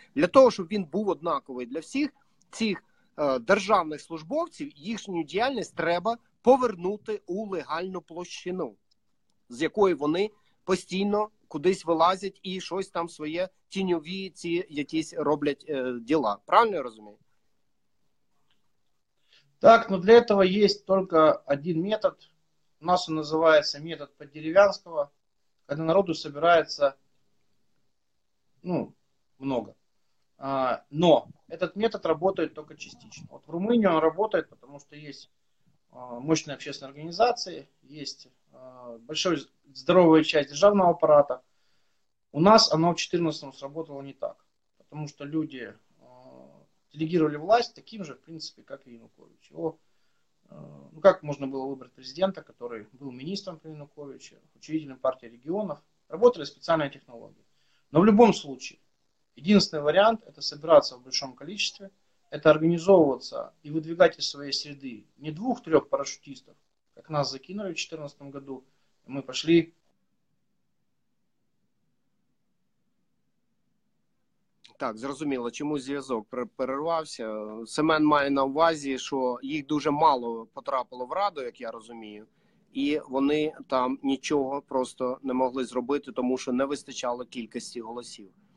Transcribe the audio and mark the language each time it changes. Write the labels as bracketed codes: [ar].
[uk] Для того, щоб він був однаковий для всіх, цих державних службовців, їхню діяльність треба повернути у легальну площину, з якої вони постійно кудись вилазять і щось там своє тіньові ці якісь роблять діла. Правильно я розумію? [ru] Так, ну для этого есть только один метод. У нас он называется метод по-деревянского, когда народу собирается, ну, много. Но этот метод работает только частично. Вот в Румынии он работает, потому что есть мощные общественные организации, есть большая здоровая часть державного аппарата. У нас оно в 2014 сработало не так, потому что люди делегировали власть таким же, в принципе, как и Янукович. Ну, как можно было выбрать президента, который был министром при Януковиче, учредителем партии регионов. Работали специальные технологии. Но в любом случае, единственный вариант – это собираться в большом количестве, это организовываться и выдвигать из своей среды не двух-трех парашютистов, как нас закинули в 2014 году, и мы пошли. [uk] Так, зрозуміло, чому зв'язок перервався. Семен має на увазі, що їх дуже мало потрапило в Раду, як я розумію, і вони там нічого просто не могли зробити, тому що не вистачало кількості голосів.